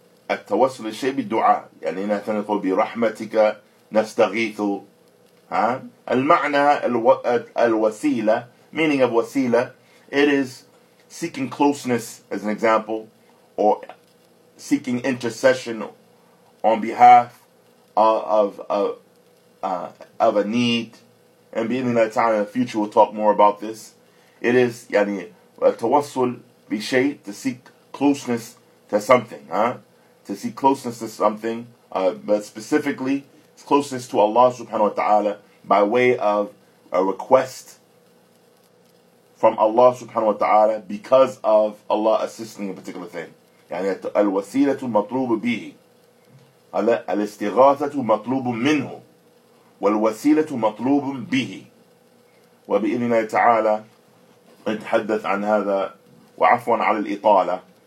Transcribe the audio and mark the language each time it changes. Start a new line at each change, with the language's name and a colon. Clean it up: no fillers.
Arabic: التوصل إلى الشيء بالدعاء, يعني نحن نقول برحمتك نستغيث. المعنى الوسيلة,
English: meaning of وسيلة, it is seeking closeness, as an example, or seeking intercession on behalf of a need. And being in that time in the future, we'll talk more about this. It is yani tawassul bi shay, to seek closeness to something, to seek closeness to something, but specifically it's closeness to Allah subhanahu wa ta'ala by way of a request from Allah subhanahu wa ta'ala because of Allah assisting a particular thing.
Arabic: يعني الوسيلة مطلوب به الاستغاثة مطلوب منه والوسيلة مطلوب به وبإذن الله تعالى نتحدث عن هذا وعفوا على الإطالة